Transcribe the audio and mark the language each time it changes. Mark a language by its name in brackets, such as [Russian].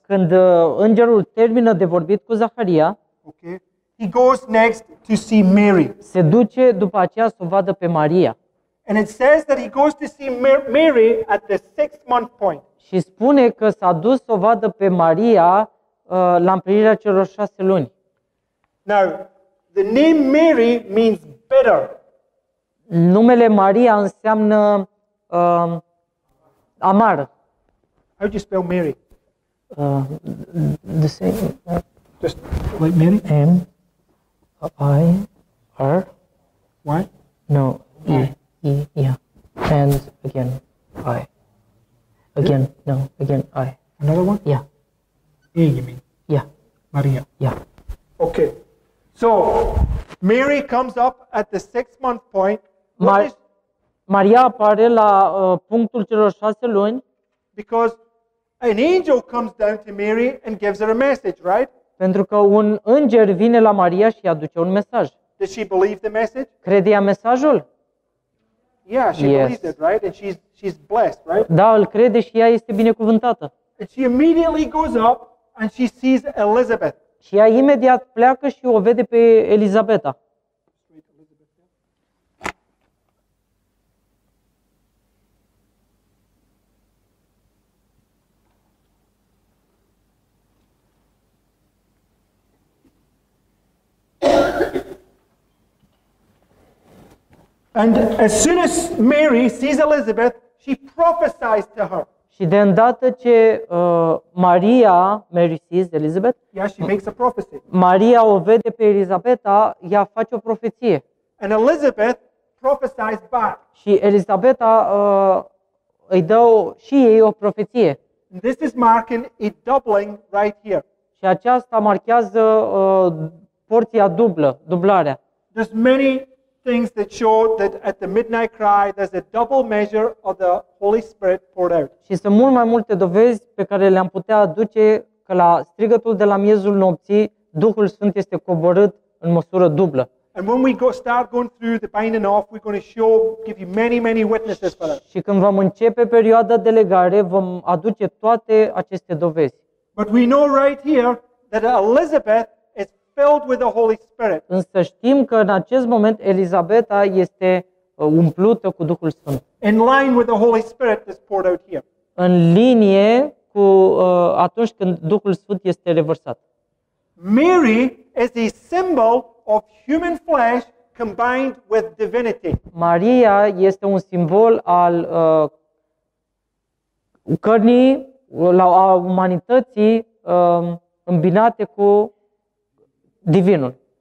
[Romanian] când îngerul termină de vorbit cu Zaharia, [English] okay, he goes next to see Mary. [Romanian] Se duce după aceea să o vadă pe Maria. [English] And it says that he goes to see Mary at the 6-month point. [Romanian] Și spune că s-a dus să o vadă pe Maria la împlinirea celor 6 luni. [English] Now, the name Mary means bitter. [Romanian] Numele Maria înseamnă amar. [English] How do you spell Mary? The same. Just like Mary. M I R Y. No. E. E. Yeah. And again I. Again. No. Again I. Another one. Yeah. E. You mean? Yeah. Maria. Yeah. Okay. So, Mary comes up at the 6-month point. [Romanian] Maria apare la punctul celor 6 luni. [English] Because an angel comes down to Mary and gives her a message, right? [Romanian] Pentru că un înger vine la Maria și aduce un mesaj. [English] Does she believe the message? [Romanian] Crede ea mesajul? [English] Yeah, she believes it, right? And she's blessed, right? [Romanian] Da, îl crede și ea este binecuvântată. [English] And she immediately goes up and she sees Elizabeth. [Romanian] Și ea imediat pleacă și o vede pe Elizabeta. [English] And as soon as Mary sees Elizabeth, she prophesies to her. [Romanian] Și de îndată ce [English] Mary sees Elizabeth, yeah, she makes a prophecy. [Romanian] Maria o vede pe Elizabeta, ea face o profeție. [English] And Elizabeth prophesies back. [Romanian] Și Elizabeta îi dă și ei o profeție. [English] This is marking a doubling right here. [Romanian] Și aceasta marchează porția dublă, dublarea. [English] There's many things that show that at the midnight cry there's a double measure of the Holy Spirit poured out. [Romanian] Și sunt mult mai multe dovezi pe care le-am putea aduce că la strigătul de la miezul nopții Duhul Sfânt este coborât în măsură dublă. [English] And when we go start going through the binding off, we're going to show, give you many, many witnesses for that. [Romanian] Și când vom începe perioada de legare, vom aduce toate aceste dovezi. [English] But we know right here that Elizabeth filled with the Holy Spirit. [Romanian] Însă știm că în acest moment Elizabeta este umplută cu Duhul Sfânt. [English] In line with the Holy Spirit is poured out here. [Romanian] În linie cu atunci când Duhul Sfânt este revărsat. [English] Mary is a symbol of human flesh combined with divinity. [Romanian] Maria este un simbol al cărnii la a umanității îmbinate cu divinul.